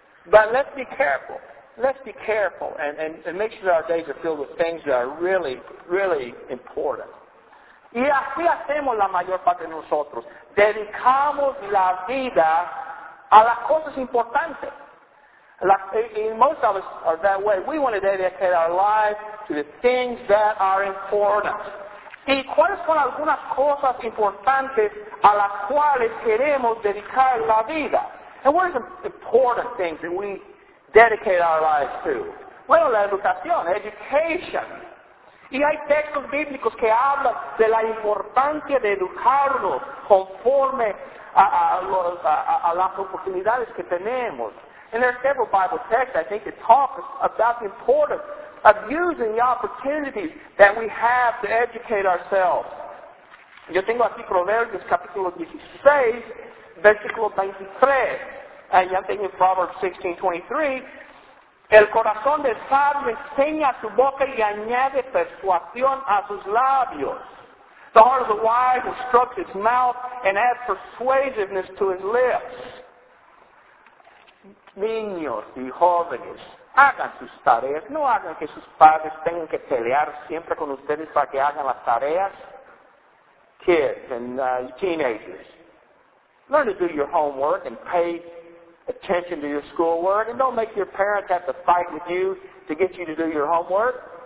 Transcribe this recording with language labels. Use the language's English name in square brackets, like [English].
[English] But let's be careful. Let's be careful and make sure that our days are filled with things that are really, really important. [Spanish] Y así hacemos la mayor parte de nosotros. Dedicamos la vida a las cosas importantes. [English] And most of us are that way. We want to dedicate our lives to the things that are important. [Spanish] ¿Y cuáles son algunas cosas importantes a las cuales queremos dedicar la vida? [English] And what are some important things that we dedicate our lives to? [Spanish] Bueno, la educación, education. Y hay textos bíblicos que hablan de la importancia de educarnos conforme a las oportunidades que tenemos. [English] And there are several Bible texts, I think, that talk about the importance of using the opportunities that we have to educate ourselves. [Spanish] Yo tengo aquí Proverbios capítulo 16, versículo 23. [English] And I'm thinking Proverbs 16:23. [Spanish] El corazón del sabio enseña su boca y añade persuasión a sus labios. [English] The heart of the wise instructs his mouth and adds persuasiveness to his lips. [Spanish] Niños y jóvenes, hagan sus tareas. No hagan que sus padres tengan que pelear siempre con ustedes para que hagan las tareas. [English] Kids and teenagers, learn to do your homework and pay attention to your schoolwork. And don't make your parents have to fight with you to get you to do your homework.